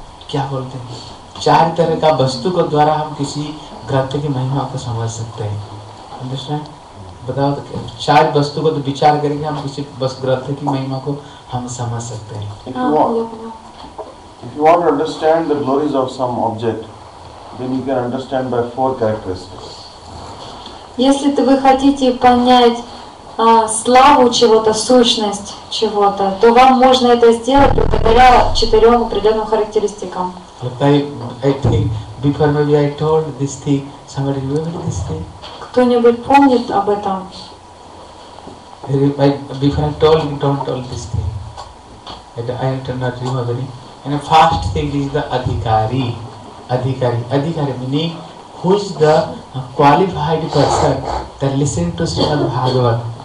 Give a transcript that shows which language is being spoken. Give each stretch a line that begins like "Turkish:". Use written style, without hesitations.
Hindi: क्या बोलते हैं चार तरह का वस्तु को द्वारा हम किसी ग्रंथ की महिमा को समझ सकते हैं अंडरस्टैंड बताओ तो चार वस्तु को तो विचार करेंगे हम किसी बस ग्रंथ की महिमा को हम समझ सकते हैं
English: If you want to understand the glories of some object, then you can understand by four characteristics.
Russian: Если вы хотите понять славу чего-то, сущность чего-то, то вам можно это сделать благодаря четырем определенным характеристикам.
English: I think before maybe I told this thing. Somebody remember this thing?
Russian: Кто-нибудь помнит об этом?
English: Before I told, you don't tell this thing. I do not remember it. And the first thing is the adhikari. Adhikari meaning who is the qualified person that listen to Srimad Bhagavat.